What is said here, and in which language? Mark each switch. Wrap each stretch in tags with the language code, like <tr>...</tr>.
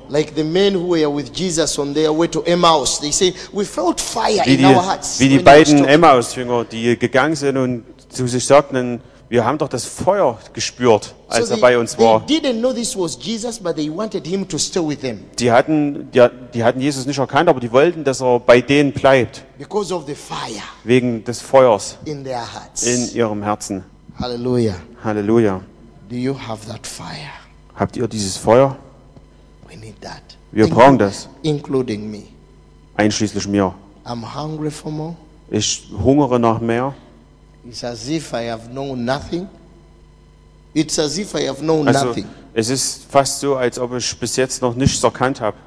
<en>Like the men who were with Jesus on their way to Emmaus, they say we felt fire</en> <de>wie in die,</de> <en>our hearts.</en> <de>Wie die beiden Emmaus-Jünger, die gegangen sind und zu sich sagten, wir haben doch das Feuer gespürt, als so er bei uns war.</de> <en>They didn't know this was Jesus, but they wanted him to stay with them.</en> <de>Die hatten Jesus nicht erkannt, aber die wollten, dass er bei denen bleibt.</de> <en>Because of the fire.</en> <de>Wegen des Feuers</de> <en>in their hearts.</en> <de>In ihrem Herzen.</de> <en>Halleluja.</en> <de>Halleluja.</de> <en>Do you have that fire?</en> <de>Habt ihr dieses Feuer?</de> <en>We need that.</en> <de>Wir brauchen das.</de> <en>Including me.</en> <de>Einschließlich mir.</de> <en>I'm hungry for more.</en> <de>Ich hungere nach mehr.</de> <en>It's as if I have known nothing. It's as if I have known</en> <de>also,</de> <en>nothing.</en> <de>Es ist fast so, als ob ich bis jetzt noch nichts erkannt habe.</de>